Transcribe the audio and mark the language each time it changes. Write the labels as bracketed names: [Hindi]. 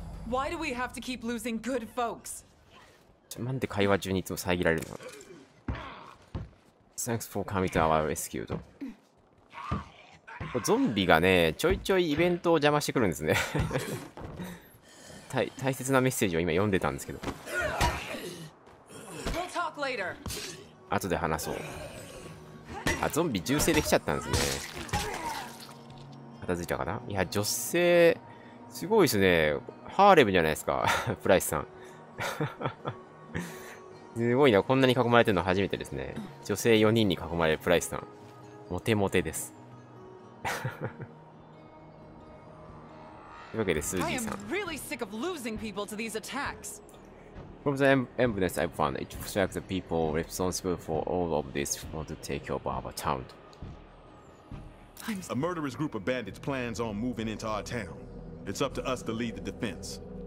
[English] Why do we have to keep losing good folks? [Japanese] なんで会話中にいつも遮られるの。 [English] Thanks for coming to our rescue. [Japanese] とゾンビがね、ちょいちょいイベントを邪魔してくるんですね。大切なメッセージを今読んでたんですけど。 [English] We'll talk later. [Japanese] 後で話そう。あ、ゾンビ銃声できちゃったんですね。片付いたかな。いや、女性すごいですね。ハーレムじゃないですか。プライスさん。すごいな。こんなに囲まれてるの初めてですね。女性4人に囲まれるプライスさん、モテモテです。というわけでスージーさん、 [English] I am really sick of losing people to these attacks From the evidence I found, it looks like the people responsible for all of this want to take over our town. A murderous group of bandits plans on moving into our town. It's up to us to lead the defense.